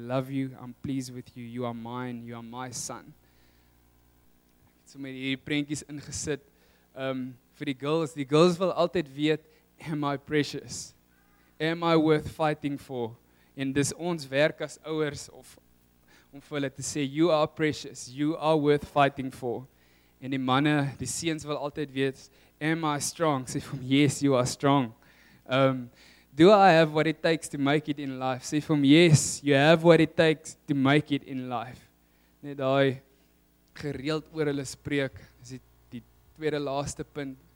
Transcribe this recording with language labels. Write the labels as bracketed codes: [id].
[en] I love you, I'm pleased with you, you are mine, you are my son. [af] Ek het so met hierdie prentjies ingesit, vir die girls wil altyd weet, [en] am I precious? Am I worth fighting for? [af] En dis ons werk as ouers, of om vir hulle te sê, [en] you are precious, you are worth fighting for. [af] En die manne, die seuns wil altyd weet, [en] am I strong? [af] Sê vir hom, [en] yes, you are strong. Do I have what it takes to make it in life? [af] Sê vir hom, [en] yes, you have what it takes to make it in life. [af] Net daai gereeld oor hulle spreek, is die tweede laaste punt.